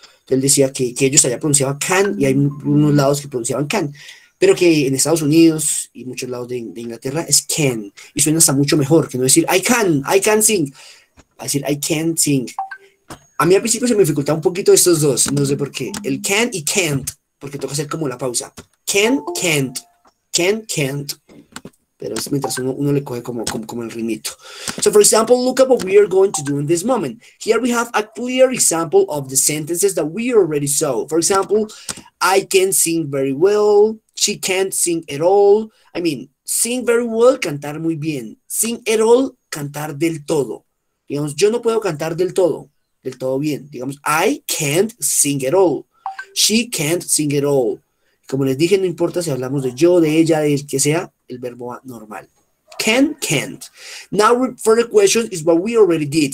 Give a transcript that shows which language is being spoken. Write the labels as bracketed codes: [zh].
[es] Él decía que ellos allá pronunciaban can y hay unos lados que pronunciaban can, pero que en Estados Unidos y muchos lados de Inglaterra es can y suena hasta mucho mejor que no decir [en] I can sing, [es] a decir I can sing. A mí al principio se me dificultaba un poquito estos dos, no sé por qué, el can y can't, porque toca hacer como la pausa, can't, pero es mientras uno le coge como el ritmito. [en] So, for example, look at what we are going to do in this moment. Here we have a clear example of the sentences that we already saw. For example, I can sing very well. She can't sing at all. I mean, sing very well, [es] cantar muy bien. [en] Sing at all, [es] cantar del todo. Digamos, yo no puedo cantar del todo bien. Digamos, [en] I can't sing at all. She can't sing at all. [es] Como les dije, no importa si hablamos de yo, de ella, del que sea, el verbo normal. [en] Can't. Now, for the question, is what we already did.